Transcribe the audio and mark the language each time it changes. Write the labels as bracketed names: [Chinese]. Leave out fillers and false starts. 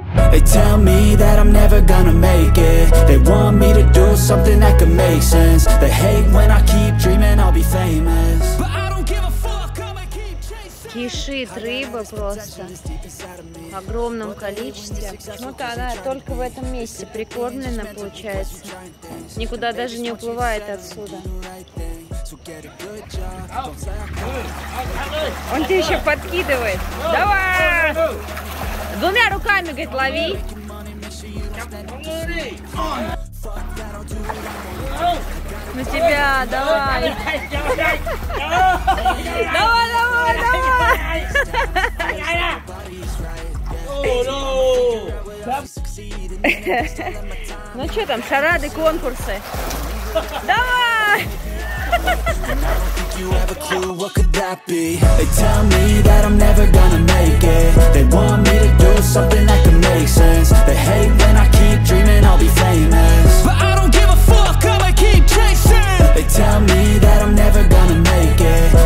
[English] They tell me that I'm never gonna make it. They want me to do something that could make sense. They hate when I keep dreaming I'll be famous. But I don't give a fuck, I'ma keep chasing. [Russian] Кишит рыба просто в огромном количестве. Ну-то она только в этом месте прикормлена, получается. Никуда даже не уплывает отсюда. Он тебе еще подкидывает. Давай! Двумя руками, говорит, лови. На тебя, давай. Давай, давай, давай. Ну что там, шарады, конкурсы. Давай. [English] You have a clue, what could that be? They tell me that I'm never gonna make it. They want me to do something that can make sense. They hate when I keep dreaming I'll be famous. But I don't give a fuck, I'ma keep chasing. They tell me that I'm never gonna make it.